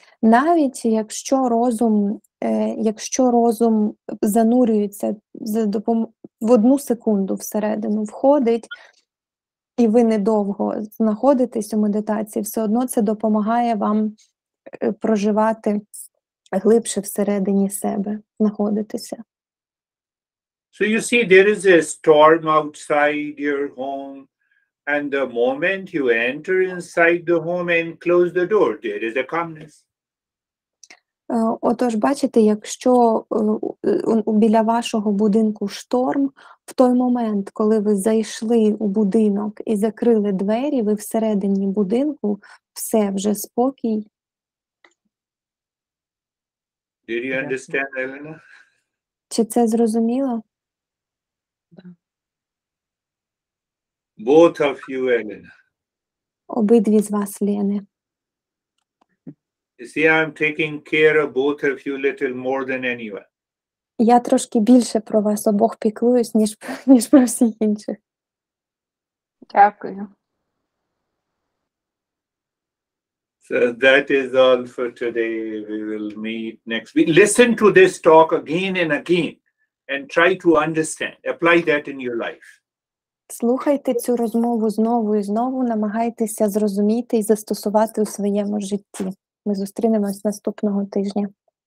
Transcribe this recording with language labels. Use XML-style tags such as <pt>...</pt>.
<uk>Навіть якщо розум, занурюється за в одну секунду всередину входить, і ви недовго знаходитесь у медитації, все одно це допомагає вам проживати глибше всередині себе, знаходитися.</uk> <en>So you see, there is a storm outside your home, and the moment you enter inside the home and close the door, there is a calmness.</en> <uk>Отож, бачите, якщо біля вашого будинку шторм, в той момент, коли ви зайшли у будинок і закрили двері, ви всередині будинку, все вже спокій.</uk> <en>Did you understand, Elena?</en> <uk>Чи це зрозуміло?</uk> <en>Both of you, Elena.</en> <uk>Обидві з вас, Лени.</uk> <en>You see, I'm taking care of both of you a little more than anyone.</en> <uk>Я трошки більше про вас обох піклуюсь, ніж про всіх інших. Дякую.</uk> <en>So that is all for today. We will meet next week. Listen to this talk again and again and try to understand. Apply that in your life.</en> <uk>Слухайте цю розмову знову і знову, намагайтеся зрозуміти і застосувати у своєму житті. Ми зустрінемось наступного тижня.</uk>